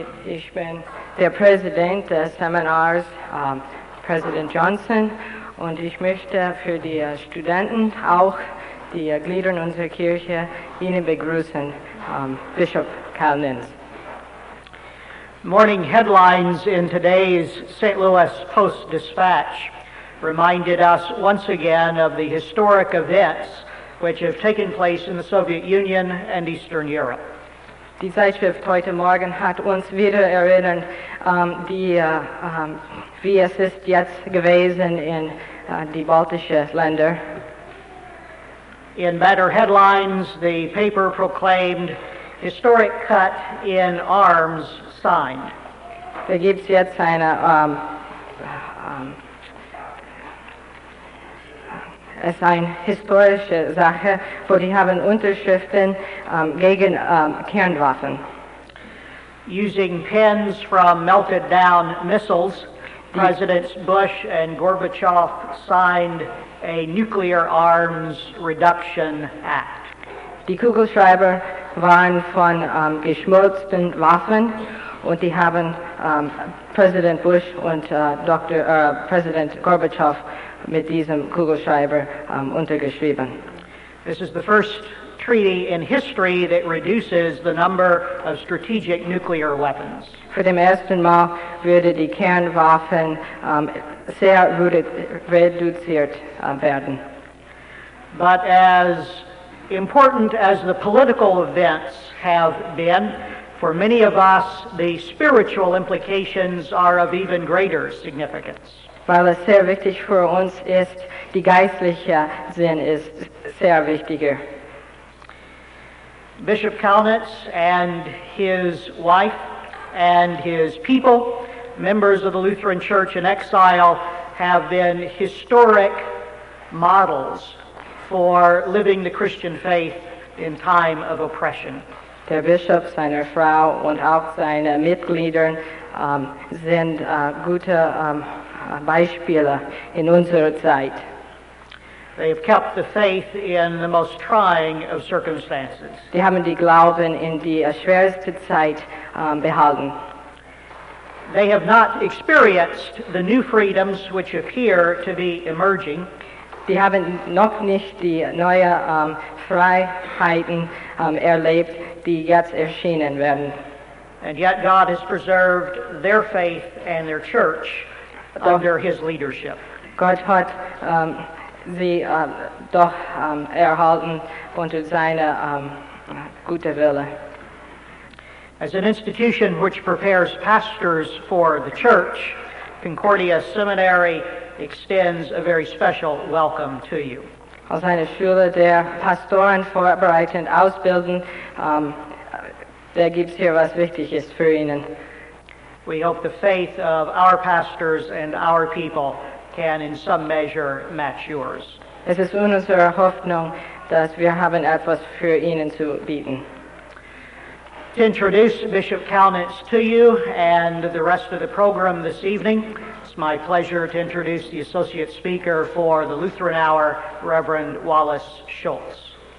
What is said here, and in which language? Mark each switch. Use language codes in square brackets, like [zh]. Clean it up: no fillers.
[de] Ich bin der Präsident des Seminars, Präsident Johnson, und ich möchte für die Studenten, auch die Glieder in unserer Kirche, Ihnen begrüßen, Bishop Kalnitz. [en] Morning headlines in today's St. Louis Post-Dispatch reminded us once again of the historic events which have taken place in the Soviet Union and Eastern Europe. [de] Die Zeitschrift heute Morgen hat uns wieder erinnert, wie es ist jetzt gewesen in die baltischen Länder. [en] In better headlines, the paper proclaimed historic cut in arms signed. [de] Da gibt's jetzt eine, es ist eine historische Sache, wo die haben Unterschriften gegen Kernwaffen. [en] Using pens from melted down missiles, Presidents Bush and Gorbachev signed a Nuclear Arms Reduction Act. [de] Die Kugelschreiber waren von geschmolzenen Waffen, und die haben Präsident Bush und Präsident Gorbachev mit diesem Kugelschreiber untergeschrieben. [en] This is the first treaty in history that reduces the number of strategic nuclear weapons. [de] Für den ersten Mal würde die Kernwaffen sehr reduziert werden. [en] But as important as the political events have been, for many of us, the spiritual implications are of even greater significance. [de] Weil es sehr wichtig für uns ist, die geistliche Sinn ist sehr wichtiger. [en] Bishop Kalnitz and his wife and his people, members of the Lutheran Church in exile, have been historic models for living the Christian faith in time of oppression. [de] Der Bischof, seine Frau und auch seine Mitglieder sind gute Beispiele in unserer Zeit. [en] They have kept the faith in the most trying of circumstances. [de] Die haben die Glauben in die schwerste Zeit behalten. [en] They have not experienced the new freedoms which appear to be emerging. [de] Die haben noch nicht die neue Freiheiten erlebt, die jetzt erschienen werden. [en] And yet God has preserved their faith and their church under his leadership. [de] Gott hat sie doch erhalten unter seiner guten Wille. [en] As an institution which prepares pastors for the church, Concordia Seminary extends a very special welcome to you. [de] Als eine Schule, der Pastoren vorbereitend ausbilden, da gibt's hier was Wichtiges für Ihnen. [en] We hope the faith of our pastors and our people can in some measure match yours. [de] Es ist unsere Hoffnung, dass wir haben etwas für Ihnen zu bieten. [en] To introduce Bishop Kalnitz to you and the rest of the program this evening, it's my pleasure to introduce the associate speaker for the Lutheran Hour, Reverend Wallace Schultz.